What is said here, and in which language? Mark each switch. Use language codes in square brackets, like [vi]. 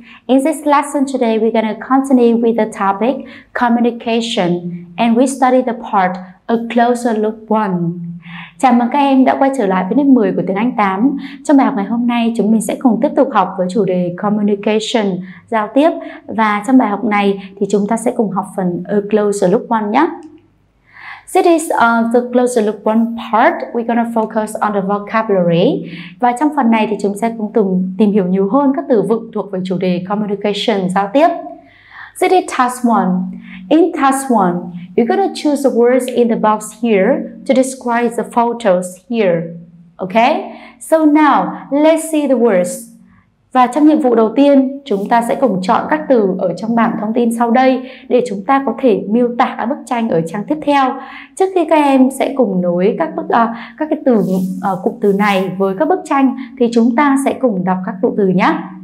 [en] In this lesson today, we're going to continue with the topic communication, and we study the part a closer look one. [vi] Chào mừng các em đã quay trở lại với lớp 10 của tiếng Anh 8. Trong bài học ngày hôm nay, chúng mình sẽ cùng tiếp tục học với chủ đề communication, giao tiếp. Và trong bài học này, thì chúng ta sẽ cùng học phần a closer look one nhé. [en] This is the closer look one part. We're gonna focus on the vocabulary. [vi] Và trong phần này thì chúng sẽ cùng tìm hiểu nhiều hơn các từ vựng thuộc về chủ đề communication, giao tiếp. [en] This is task one. In task one, you're gonna choose the words in the box here to describe the photos here. Okay? So now, let's see the words. [vi] Và trong nhiệm vụ đầu tiên, chúng ta sẽ cùng chọn các từ ở trong bảng thông tin sau đây để chúng ta có thể miêu tả bức tranh ở trang tiếp theo. Trước khi các em sẽ cùng nối các cụm từ này với các bức tranh, thì chúng ta sẽ cùng đọc các cụm từ nhé.